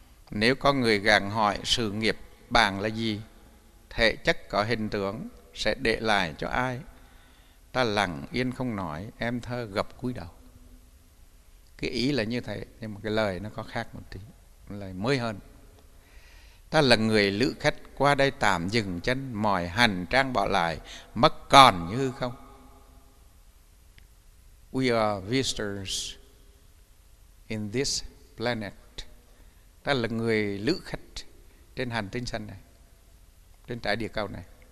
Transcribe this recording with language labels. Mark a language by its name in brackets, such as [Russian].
[Vietnamese] Nếu có người gàng hỏi sự nghiệp bạn là gì, thể chất có hình tướng sẽ để lại cho ai, ta lặng yên không nói, em thơ gập cúi đầu. Cái ý là như thế, nhưng mà cái lời nó có khác một tí, lời mới hơn. Ta là người lữ khách qua đây tạm dừng chân, mọi hành trang bỏ lại mất còn như không. [English] We are visitors in this planet. [Vietnamese] Ta là người lữ khách trên hành tinh xanh này, trên trái địa cầu này.